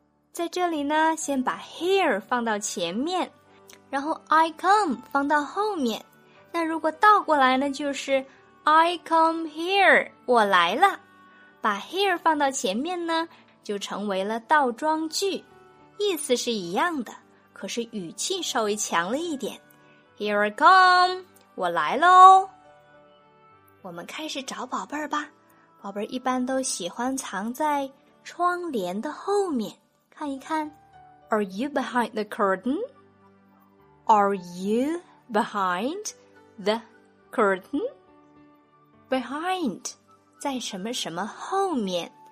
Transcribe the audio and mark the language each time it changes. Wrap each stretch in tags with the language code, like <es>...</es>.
<zh>在这里呢，先把 here 放到前面，然后 I come 放到后面。那如果倒过来呢，就是</zh> <en>I come here,</en> <zh>我来了。把 here 放到前面呢，就成为了倒装句，意思是一样的，可是语气稍微强了一点。</zh> <en>Here I come,</en> <zh>我来喽。我们开始找宝贝儿吧。宝贝儿一般都喜欢藏在窗帘的后面，看一看。</zh> <en>Are you behind the curtain? Are you behind the curtain?</en> <zh>Behind, 在什么什么后面。</zh>